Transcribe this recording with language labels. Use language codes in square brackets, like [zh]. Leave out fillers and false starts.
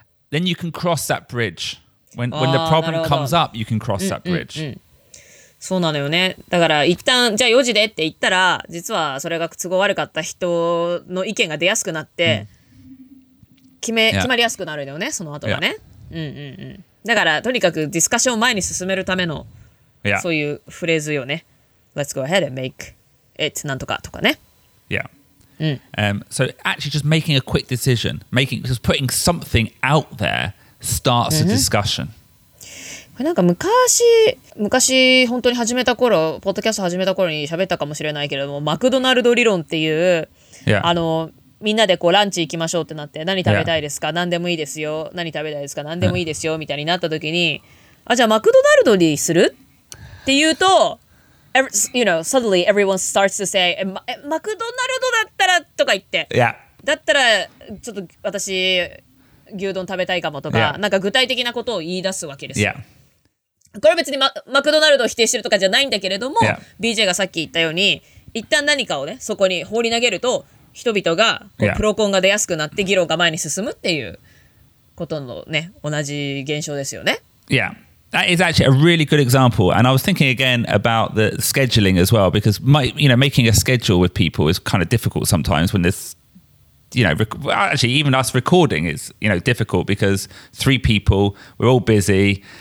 [en] Then you can cross that bridge. When the problem comes up, you can cross that bridge. [ja] そうなのよね。だから一旦、じゃあ4時でって言ったら、実はそれが都合悪かった人の意見が出やすくなって、決まりやすくなるよね、その後がね。 [en] Yeah. [ja] だから、とにかくディスカッションを前に進めるための、 [en] yeah. [ja] そういうフレーズよね。 [en] Let's go ahead and make it [ja] なんとかとかね。 [en] Yeah. So actually just making a quick decision, making, just putting something out there starts a discussion. [ja] これなんか昔本当に始めた頃、ポッドキャスト始めた頃に喋ったかもしれないけれども、マクドナルド理論っていう、 [en] yeah. [ja] あの、みんなでこうランチ行きましょうってなって何食べたいですか、yeah. 何でもいいですよ何食べたいですか何でもいいですよ、yeah. みたいになった時にあじゃあマクドナルドにするって言うと [en] you know suddenly everyone starts to say [ja] マクドナルドだったらとか言って、 [en] yeah. [ja] だったらちょっと私牛丼食べたいかもとか、yeah. なんか具体的なことを言い出すわけです、 [en] yeah. [ja] これ別に マクドナルドを否定してるとかじゃないんだけれども、yeah. BJ がさっき言ったように一旦何かをねそこに放り投げると人々がこう、yeah. プロコンが出やすくなって議論が前に進むっていうことのね同じ現象ですよね。 [en] Yeah, that is actually a really good example. And I was thinking again about the scheduling as well, because my, you know, making a schedule with people is kind of difficult sometimes when there's, you know, actually even us recording is, you know, difficult because three people, we're all busy.